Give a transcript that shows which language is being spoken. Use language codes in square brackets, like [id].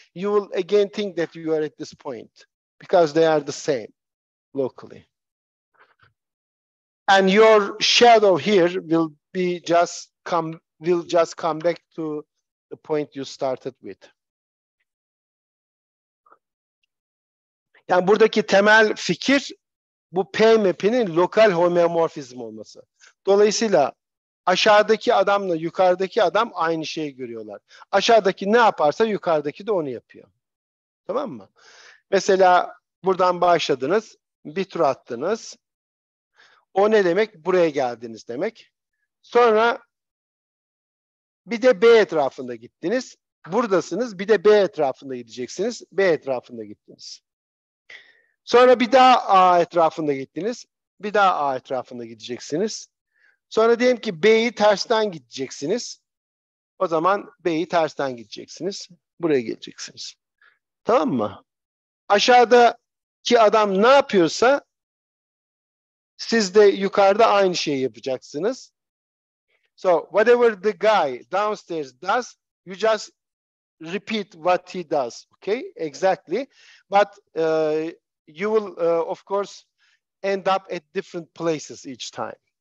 [en] You will again think that you are at this point because they are the same locally. And your shadow here will be just come back to the point you started with. [tr] Yani buradaki temel fikir bu P map'inin lokal homeomorfizm olması. Dolayısıyla aşağıdaki adamla yukarıdaki adam aynı şeyi görüyorlar. Aşağıdaki ne yaparsa yukarıdaki de onu yapıyor. Tamam mı? Mesela buradan başladınız, bir tur attınız. O ne demek? Buraya geldiniz demek. Sonra bir de B etrafında gittiniz. Buradasınız, bir de B etrafında gideceksiniz. B etrafında gittiniz. Sonra bir daha A etrafında gittiniz. Bir daha A etrafında gideceksiniz. Sonra diyelim ki B'yi tersten gideceksiniz. O zaman B'yi tersten gideceksiniz. Buraya geleceksiniz. Tamam mı? Aşağıdaki adam ne yapıyorsa siz de yukarıda aynı şeyi yapacaksınız. [en] So whatever the guy downstairs does, you just repeat what he does. Okay, exactly. But you will, of course, end up at different places each time.